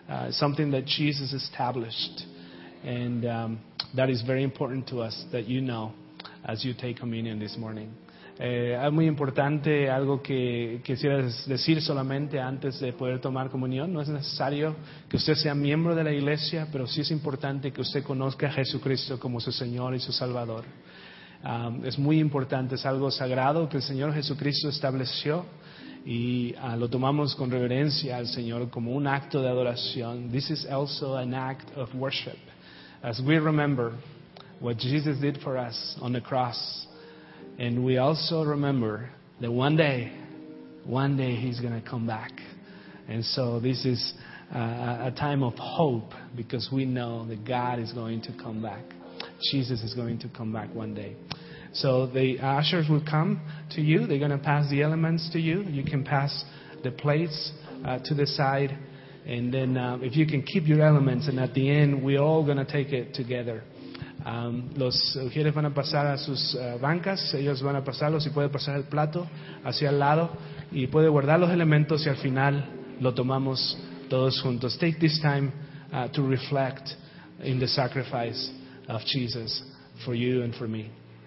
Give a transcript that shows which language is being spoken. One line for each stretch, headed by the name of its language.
English: something that Jesus established. And that is very important to us that you know as you take communion this morning.
Spanish: Es muy importante algo que quisiera decir solamente antes de poder tomar comunión. No es necesario que usted sea miembro de la iglesia, pero sí es importante que usted conozca a Jesucristo como su Señor y su Salvador. Es muy importante, es algo sagrado que el Señor Jesucristo estableció y lo tomamos con reverencia al Señor como un acto de adoración.
English: This is also an act of worship. As we remember what Jesus did for us on the cross, and we also remember that one day He's going to come back. And so this is a time of hope because we know that God is going to come back. Jesus is going to come back one day. So the ushers will come to you. They're going to pass the elements to you. You can pass the plates to the side. And then if you can keep your elements, and at the end, we're all going to take it together.
Spanish: Los ushers van a pasar a sus bancas, ellos van a pasarlos y puede pasar el plato hacia el lado y puede guardar los elementos y al final lo tomamos todos juntos.
English: Take this time to reflect in the sacrifice of Jesus for you and for me.